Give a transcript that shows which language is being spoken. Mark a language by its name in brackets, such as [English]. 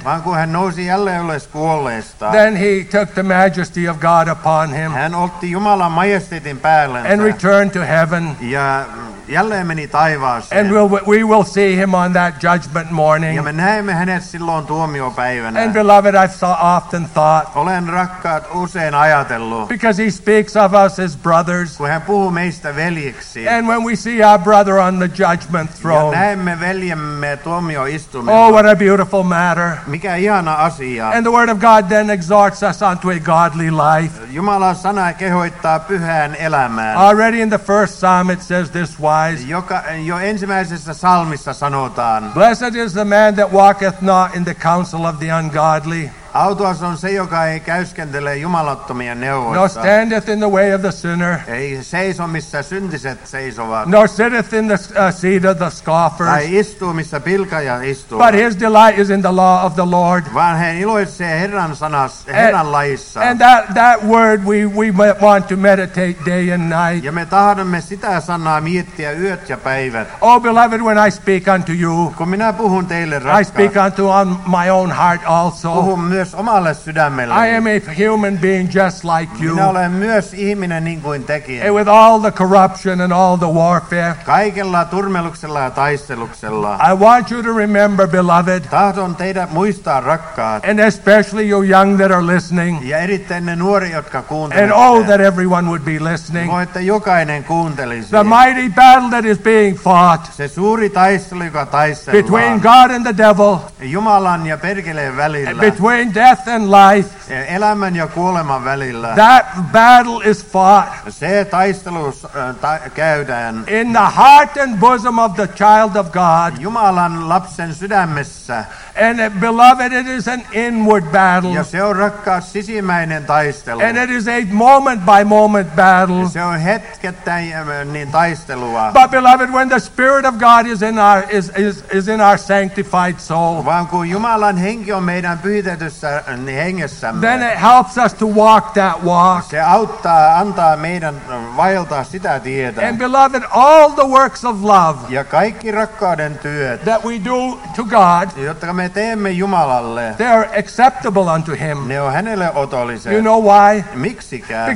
[Finnish] Vaan kun hän nousi jälleen ylös kuolleista. [English] Then he took the majesty of God upon him. [Finnish] Hän otti Jumalan majesteetin päällensä. [English] And returned to heaven. [Finnish] Ja jälleen meni taivaaseen. [English] And we will see him on that judgment morning. [Finnish] Ja me näemme hänet silloin tuomiopäivänä. [English] And beloved, I've so often thought. [Finnish] Olen rakkaat usein ajatellut. [English] Because he speaks of us as brothers. [Finnish] Kun hän puhuu meistä veljiksi. [English] And when we see our brother on the judgment throne. [Finnish] Ja näemme veljemme tuomioistuimella. [English] Oh, what a beautiful matter. [Finnish] Mikä ihana asia. [English] And the word of God then exhorts us unto a godly life. [Finnish] Jumalan sana kehoittaa pyhään elämään. [English] Already in the first psalm it says this way. [Finnish] Jo ensimmäisessä psalmissa sanotaan. [English] Blessed is the man that walketh not in the counsel of the ungodly. [Finnish] Autuas on se, joka ei käyskentele jumalattomien neuvoissa. [English] Nor standeth in the way of the sinner. [Finnish] Ei seiso, missä syntiset seisovat. [English] Nor sitteth in the seat of the scoffers. [Finnish] Tai istuu, missä pilkaja istuu. [English] But his delight is in the law of the Lord. [Finnish] Vaan hän iloitsee Herran sanassa, Herran laissa. [English] And that word we want to meditate day and night. [Finnish] Ja me tahdomme sitä sanaa miettiä yöt ja päivät. [English] Oh beloved, when I speak unto you. [Finnish] Kun minä puhun teille, rakkaat. [English] I speak unto my own heart also. [Finnish] Myös omalle sydämelle. [English] I am a human being just like you. [Finnish] Minä olen myös ihminen niin kuin tekin. [English] And with all the corruption and all the warfare. [Finnish] Kaikella turmeluksella ja taisteluksella. [English] I want you to remember, beloved. [Finnish] Tahdon teidät muistaa, rakkaat. [English] And especially you young that are listening. [Finnish] Ja erittäin ne nuori, jotka kuuntelevat. [English] And oh, that everyone would be listening. [Finnish] Voi, että jokainen kuuntelisi. [English] The mighty battle that is being fought. [Finnish] Se suuri taistelu, joka taistellaan. [English] Between God and the devil. [Finnish] Jumalan ja perkeleen välillä. [English] Between death and life, [Finnish] elämän ja kuoleman välillä, [English] that battle is fought. [Finnish] Se taistelu käydään [English] in the heart and bosom of the child of God. [Finnish] Jumalan lapsen sydämessä. [English] And it, beloved, it is an inward battle. [Finnish] Ja se on rakkaus sisimmäinen taistelu. [English] And it is a moment by moment battle. [Finnish] Ja se on hetkettäin taistelua. [English] But beloved, when the Spirit of God is in our is in our sanctified soul. [Finnish] Vaan kun Jumalan henki on meidän pyhitetyssä hengessämme. [English] Then it helps us to walk that walk. [Finnish] Se auttaa, antaa meidän vaeltaa sitä tietä. [English] And beloved, all the works of love. [Finnish] Ja kaikki rakkauden työt. [English] That we do to God. [Finnish] Jotka me teemme Jumalalle. [English] They are acceptable unto him. [Finnish] Ne on hänelle otolliset. [English] You know why? [Finnish] Miksikään?